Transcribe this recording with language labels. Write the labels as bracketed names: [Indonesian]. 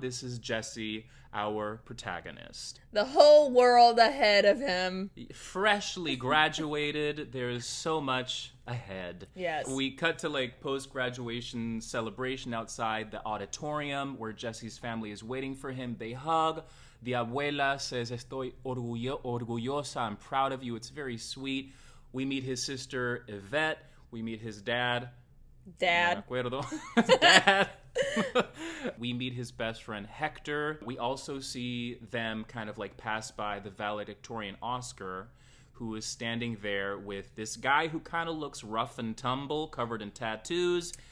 [English] This is Jesse, our protagonist. The whole world ahead of him. Freshly graduated. There is so much ahead. Yes. We cut to like post-graduation celebration outside the auditorium where Jesse's family is waiting for him. They hug. The abuela says, [Spanish] estoy orgullosa. [English] I'm proud of you. It's very sweet. We meet his sister, Yvette. We meet his dad. Dad. [Spanish] No me acuerdo. Dad. [English] We meet his best friend, Hector. We also see them kind of like pass by the valedictorian Oscar, who is standing there with this guy who kind of looks rough and tumble, covered in tattoos.